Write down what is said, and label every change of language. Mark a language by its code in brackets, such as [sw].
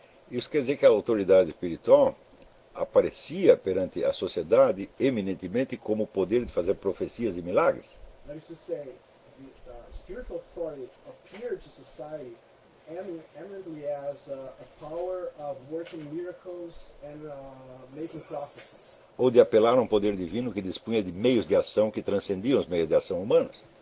[pt] Isso quer dizer que a autoridade espiritual aparecia perante a sociedade eminentemente como o poder de fazer profecias e milagres? [en] That is to say, the spiritual authority appeared to society eminently as a power of working miracles and making prophecies. [pt] Ou de apelar a um poder divino que dispunha de meios de ação que transcendiam os meios de ação humanos.